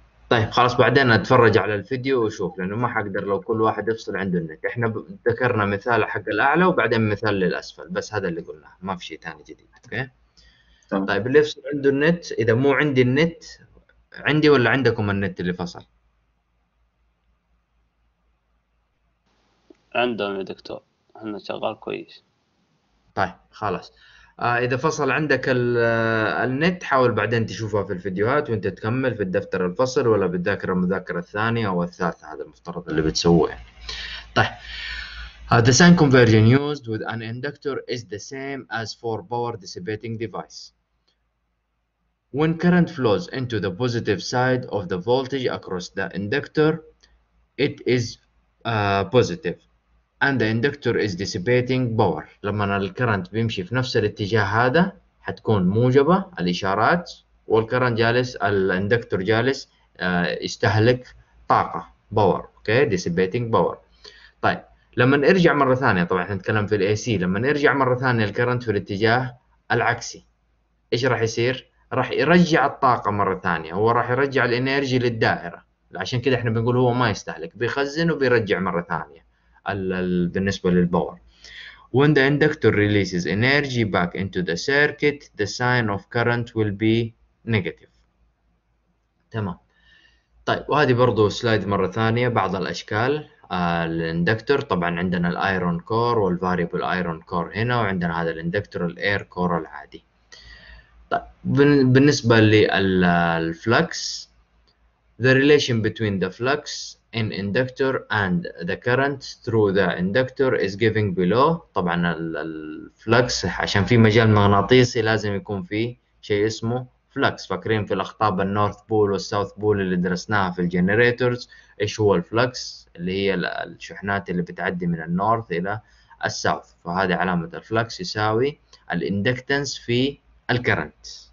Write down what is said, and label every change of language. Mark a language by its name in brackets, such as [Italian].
[Arabic] طيب خلاص بعدين أتفرج على الفيديو وشوف لأنه ما حقدر لو كل واحد يفصل عنده النت إحنا ذكرنا مثال حق الأعلى وبعدين مثال للأسفل بس هذا اللي قلناه ما في شيء تاني جديد أوكي طيب اللي يفصل عنده النت إذا مو عندي النت عندي ولا عندكم النت اللي فصل عندهم يا دكتور احنا شغال كويس طيب خلاص اذا فصل عندك النت حاول بعدين تشوفها في الفيديوهات وانت تكمل في الدفتر الفصل ولا بالذاكره المذاكره الثانيه او الثالثه هذا المفترض اللي بتسويه طيب [English] the sign conversion used with an inductor is the same as for power dissipating device when current flows into the positive side of the voltage across the inductor it is positive And the inductor is dissipating power. [Arabic] لما الكرنت بيمشي في نفس الاتجاه هذا حتكون موجبة الإشارات، والكرن جالس الاندكتور جالس يستهلك طاقة باور، اوكي ديسيبيتنج باور. طيب لما نرجع مرة ثانية، طبعا احنا نتكلم في الاي سي، لما نرجع مرة ثانية الكرنت في الاتجاه العكسي ايش راح يصير؟ راح يرجع الطاقة مرة ثانية، هو راح يرجع الانرجي للدائرة، عشان كده احنا بنقول هو ما يستهلك، بيخزن وبيرجع مرة ثانية بالنسبة للباور. [English] When the inductor releases energy back into the circuit, the sign of current will be negative. [Arabic] تمام. طيب وهذه برضو سلايد مرة ثانية، بعض الأشكال الاندكتور. طبعا عندنا الايرون كور والفاريبل ايرون كور هنا، وعندنا هذا الاندكتور الاير كور العادي. طيب بالنسبة للفلكس، [English] the relation between the flux in inductor and the current through the inductor is given below. [Arabic] طبعا الflux عشان في مجال مغناطيسي لازم يكون في شيء اسمه flux. فاكرين في الأخطاب النورث بول والساوث بول اللي درسناها في الجنريتورز، ايش هو الflux؟ اللي هي الشحنات اللي بتعدي من النورث الى الساوث، فهذه علامة الflux يساوي الاندكتنس في الكرنت.